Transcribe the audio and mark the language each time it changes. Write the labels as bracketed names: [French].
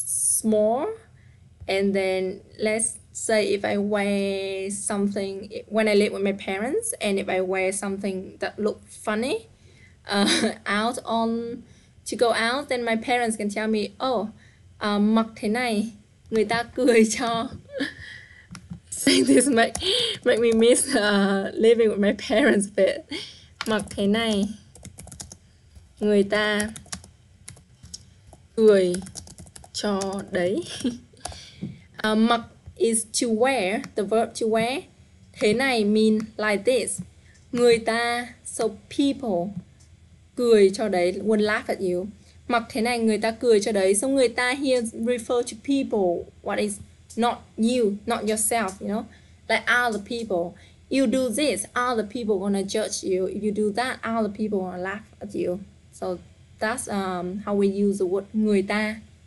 [English] small, and then let's say if I wear something when I live with my parents, and if I wear something that look funny out on to go out, then my parents can tell me, oh, [Vietnamese] mặc thế này người ta cười cho. [English] This make me miss living with my parents a bit. [Vietnamese] Mặc thế này người ta cười cho đấy. [English] Mặc is to wear, the verb to wear. Thế này mean like this. Người ta, so people, [Vietnamese] cười cho đấy, [English] would laugh at you. [Vietnamese] Mặc thế này người ta cười cho đấy. [English] So người ta here refer to people, what is not you, not yourself, you know, like other people. You do this, other people gonna judge you. If you do that, other people gonna laugh at you. So that's how we use the word người ta.